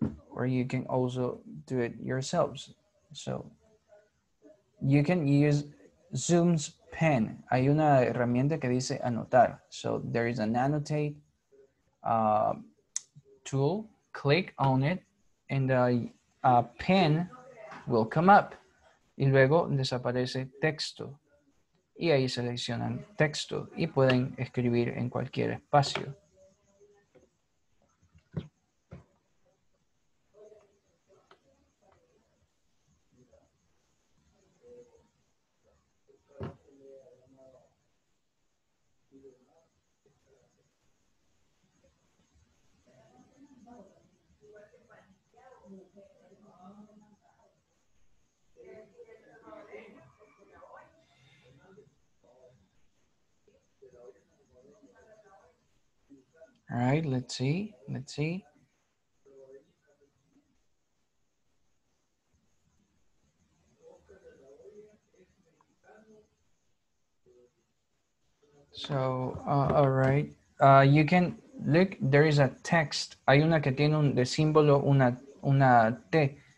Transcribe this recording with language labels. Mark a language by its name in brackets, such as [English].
[English] Or you can also do it yourselves. So you can use Zoom's pen. [Spanish] Hay una herramienta que dice anotar. [English] So there is an annotate tool. Click on it and the pen will come up. [Spanish] Y luego desaparece texto. Y ahí seleccionan texto y pueden escribir en cualquier espacio. [English] All right, let's see. So, all right, you can look, there is a text. [Spanish] Hay una que tiene de símbolo una T.